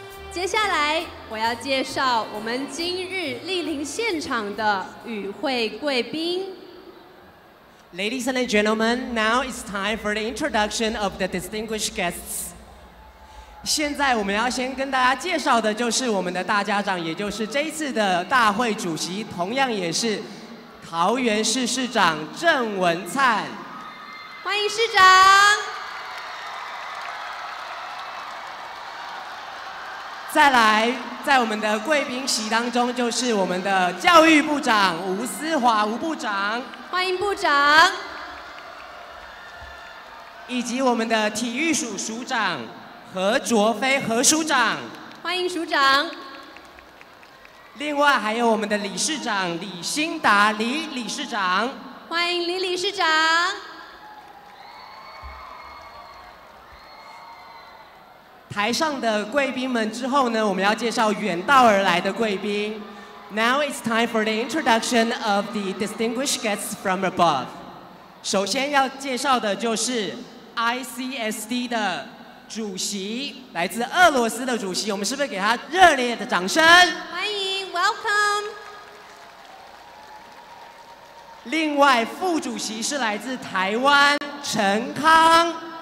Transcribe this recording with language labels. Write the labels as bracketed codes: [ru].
[zh] 接下来我要介绍我们今日莅临现场的与会贵宾。 [en] Ladies and gentlemen, now it's time for the introduction of the distinguished guests. [zh] 现在我们要先跟大家介绍的就是我们的大家长，也就是这一次的大会主席，同样也是桃园市市长郑文灿。欢迎市长。再来，在我们的贵宾席当中，就是我们的教育部长吴思华吴部长，欢迎部长，以及我们的体育署署长何卓飞何署长，欢迎署长。另外还有我们的理事长李兴达李理事长，欢迎李理事长。台上的贵宾们之后呢，我们要介绍远道而来的贵宾。 [en] Now it's time for the introduction of the distinguished guests from above. [zh] 首先要介绍的就是 ICSD 的主席，来自俄罗斯的主席，我们是不是给他热烈的掌声？欢迎 ， [en] Welcome。 [zh] 另外，副主席是来自台湾陈康，